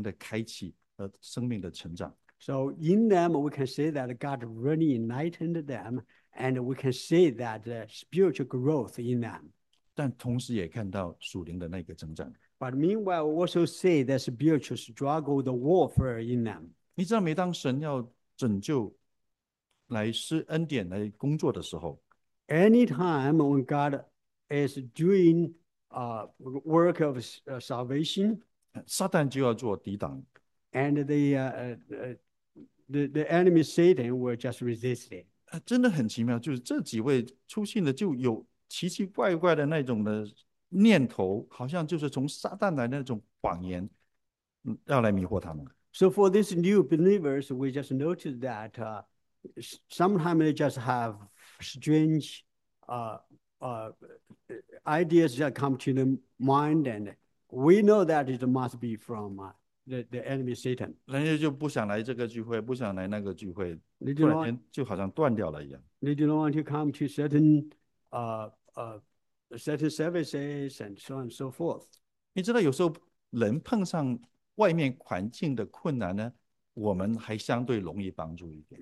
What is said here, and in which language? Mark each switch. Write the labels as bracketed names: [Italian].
[Chinese] 真的是感谢神在他们身上看到神给他们那个属灵的开启和生命的成长。 [English] So in them, we can say that God really enlightened them, and we can see that the spiritual growth in them. [Chinese] 但同时也看到属灵的那个成长。 [English] But meanwhile, we also see the spiritual struggle, the warfare in them. [Chinese] 你知道每当神要拯救来施恩典来工作的时候, [English] anytime when God is doing work of salvation, [Chinese] 撒旦就要做抵挡, [English] and the enemy Satan will just resist it. [Chinese] 真的很奇妙，就是这几位出信的就有奇奇怪怪的那种的念头, 好像就是从撒旦来那种谎言, 要来迷惑他们。 [English] So for these new believers, we just noticed that sometimes they just have strange ideas that come to the mind, and we know that it must be from the enemy Satan. [Chinese] 人家就不想来这个聚会，不想来那个聚会， [English] They do [Chinese] 突然 [English] not [Chinese] 间就好像断掉了一样。 [English] want to come to certain certain services and so on and so forth. [Chinese] 你知道，有时候人碰上外面环境的困难呢，我们还相对容易帮助一点。